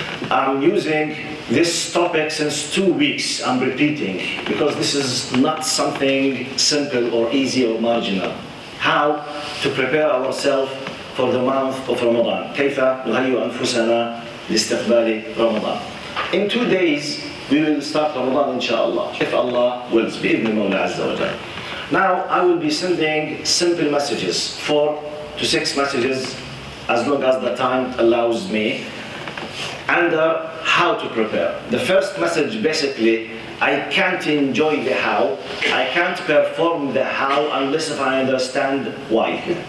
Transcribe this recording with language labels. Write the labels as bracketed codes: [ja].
[en] I'm using this topic since 2 weeks, I'm repeating, because this is not something simple or easy or marginal. How to prepare ourselves for the month of Ramadan. [ar] كيف نهيئ أنفسنا لاستقبال رمضان. [en] In 2 days, we will start Ramadan, inshallah. If Allah wills, [ar] بإذن مولى عز وجل. [en] Now, I will be sending simple messages, 4 to 6 messages, as long as the time allows me, under how to prepare. The first message, basically, I can't enjoy the how, I can't perform the how, unless if I understand why.